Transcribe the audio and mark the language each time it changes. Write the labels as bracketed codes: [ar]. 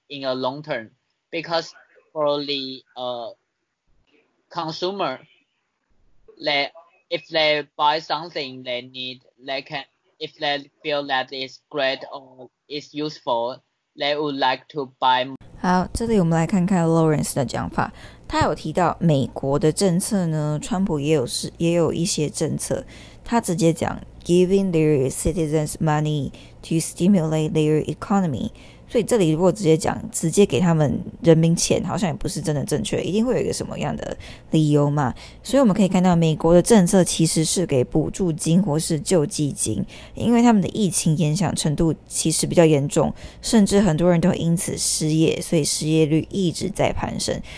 [en] In a long term, because for the consumer, if they buy something they need, if they feel that it's great or it's useful, they would like to buy more. [zh] 好，这里我们来看看 Lawrence 的讲法。他有提到美国的政策呢，川普也有一些政策。他直接讲 [en] giving their citizens money to stimulate their economy. [zh] 所以这里如果直接给他们人民钱，好像也不是真的正确，一定会有一个什么样的理由嘛。所以我们可以看到美国的政策其实是给补助金或是救济金，因为他们的疫情影响程度其实比较严重，甚至很多人都因此失业，所以失业率一直在攀升。